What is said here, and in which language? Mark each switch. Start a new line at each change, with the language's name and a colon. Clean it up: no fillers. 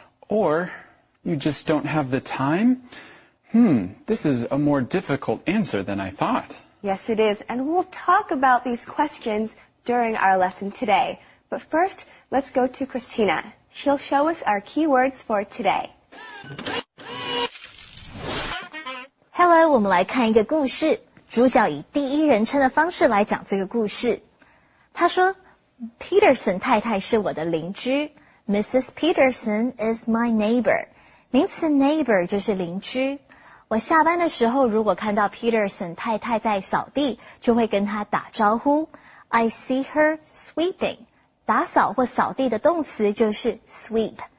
English: Or you just don't have the time? This is a more difficult answer than I thought. Yes, it is. And we'll talk about these questions during our lesson today. But first, let's go to Christina. She'll show us our keywords for today.
Chinese: Hello, 我们来看一个故事。主角以第一人称的方式来讲这个故事。他说, Peterson太太是我的邻居。
English: Mrs. Peterson is my neighbor.
Chinese: 名词 neighbor就是邻居。我下班的时候如果看到Peterson太太在扫地, 就会跟她打招呼。
English: I see her sweeping.
Chinese: 打扫或扫地的动词就是sweep。